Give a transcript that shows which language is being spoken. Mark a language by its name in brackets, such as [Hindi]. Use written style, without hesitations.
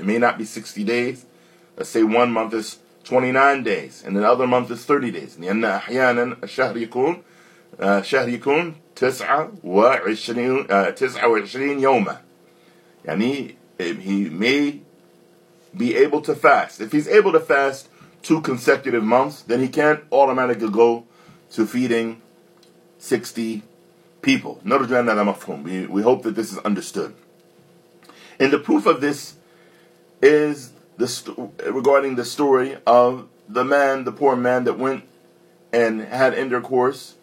[English] It may not be 60 days. Let's say 1 month is 29 days, and another month is 30 days. [Arabic] لأن أحيانا الشهر يكون شهر يكون 29 يوما. يعني [English] he may be able to fast. If he's able to fast 2 consecutive months, then he can't automatically go to feeding 60 people. [Arabic] نرجو أن هذا مفهوم. [English] We hope that this is understood. And the proof of this is regarding the story of the man, the poor man that went and had intercourse.